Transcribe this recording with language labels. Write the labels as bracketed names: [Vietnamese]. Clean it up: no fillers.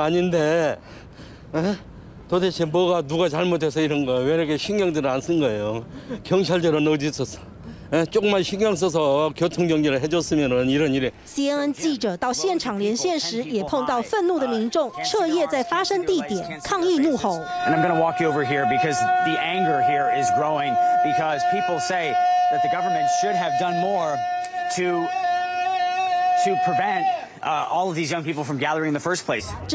[Korean] 아닌데 도대체 뭐가 누가 잘못해서 이런 거 왜 이렇게 신경들 안 쓴 거예요? 경찰들은 어디 있었어? 조금만 신경 써서 교통 정리를 해줬으면은 이런 일에. [Chinese] CNN 记者到现场连线时，也碰到愤怒的民众，彻夜在发生地点抗议怒吼。 [English] And I'm going to walk you over here because the anger here is growing because people say that the government should have done more to prevent all of these young people from gathering in the first place.